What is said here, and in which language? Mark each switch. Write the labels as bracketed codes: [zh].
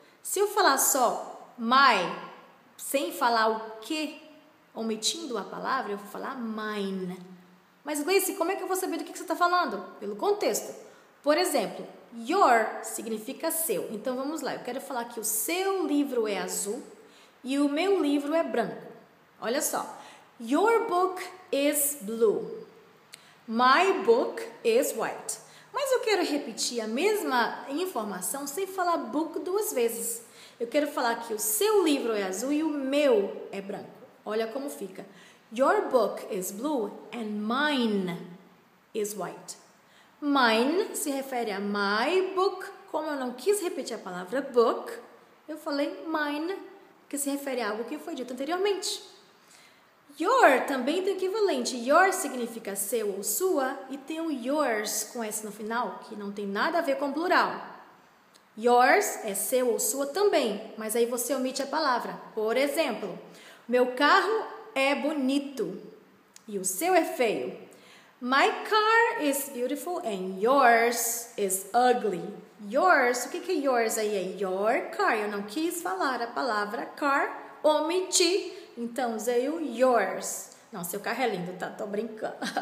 [pt] Se eu falar só my, sem falar o que, omitindo a palavra, eu vou falar mine. Mas Gleice, como é que eu vou saber do que você está falando? Pelo contexto. Por exemplo, your significa seu. Então vamos lá, eu quero falar que o seu livro é azul e o meu livro é branco. Olha só, [en] your book is blue, my book is white. [pt] Mas eu quero repetir a mesma informação sem falar book duas vezes. Eu quero falar que o seu livro é azul e o meu é branco. Olha como fica. [en] Your book is blue and mine is white. [pt] Mine se refere a my book. Como eu não quis repetir a palavra book, eu falei mine, que se refere a algo que foi dito anteriormente. Your também tem equivalente. Your significa seu ou sua e tem o yours com S no final, que não tem nada a ver com plural. Yours é seu ou sua também, mas aí você omite a palavra. Por exemplo, meu carro é bonito e o seu é feio. [en] My car is beautiful and yours is ugly. [pt] Yours, o que é yours aí? É your car. Eu não quis falar a palavra car, omiti, então usei o yours. Não, seu carro é lindo, tá? Tô brincando.